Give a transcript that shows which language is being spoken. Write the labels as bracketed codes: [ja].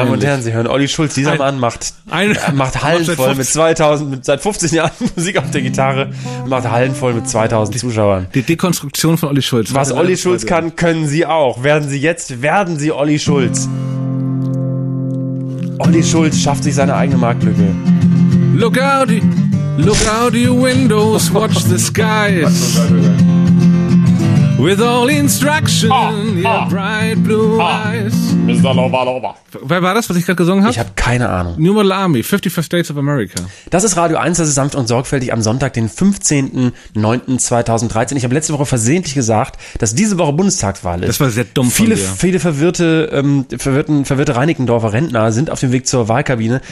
[de] Damen und Herren, Sie hören Olli Schulz, dieser Mann macht Hallen voll seit 50 Jahren Musik auf der Gitarre, macht Hallen voll mit 2000 Zuschauern. Die Dekonstruktion von Olli Schulz. Was Olli Schulz kann, können Sie auch. Werden Sie Olli Schulz. Olli Schulz schafft sich seine eigene Marktlücke. [en] Look out your windows, watch the skies. With all instruction, your bright blue eyes. Mr. Lova Lova. [de] Wer war das, was ich gerade gesungen habe? Ich habe keine Ahnung. New Malami, 51 States of America. Das ist Radio 1, das ist sanft und sorgfältig am Sonntag, den 15.09.2013. Ich habe letzte Woche versehentlich gesagt, dass diese Woche Bundestagswahl ist. Das war sehr dumm von viele, dir. Viele verwirrte Reinickendorfer Rentner sind auf dem Weg zur Wahlkabine.